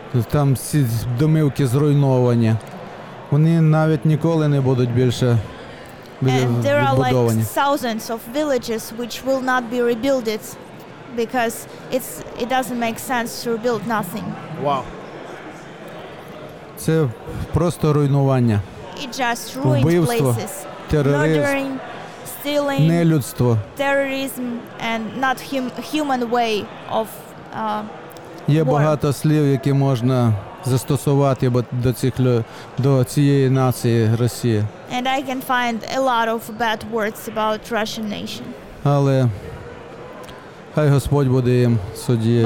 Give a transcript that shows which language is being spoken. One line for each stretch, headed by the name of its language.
Ukrainian: Там всі домівки зруйновані. Вони навіть ніколи не будуть більше відбудовані.
English: And there are like thousands of villages which will not be rebuilt because it doesn't make sense to rebuild nothing. Wow.
Ukrainian: Це просто руйнування.
English: It just ruined
Ukrainian: вбивство,
English: places.
Ukrainian: Тероризм.
English: Murdering. Stealing,
Ukrainian: нелюдство.
English: Terrorism and not human way of
Ukrainian: є багато слів, які можна застосувати до цих до цієї нації Росії.
English: And I can find a lot of bad words about Russian nation.
Ukrainian: Але хай Господь буде їм суддею.